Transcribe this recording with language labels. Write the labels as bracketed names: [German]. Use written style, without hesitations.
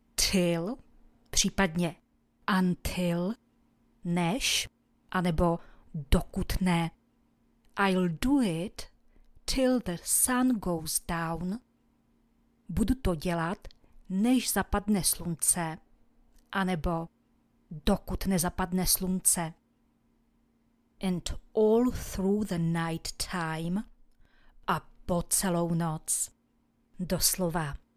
[Czech] Till, případně until, než, anebo dokud ne. [English] I'll do it till the sun goes down. [Czech] Budu to dělat, než zapadne slunce. Anebo dokud nezapadne slunce. [English] And all through the night time. [Czech] A po celou noc. Doslova.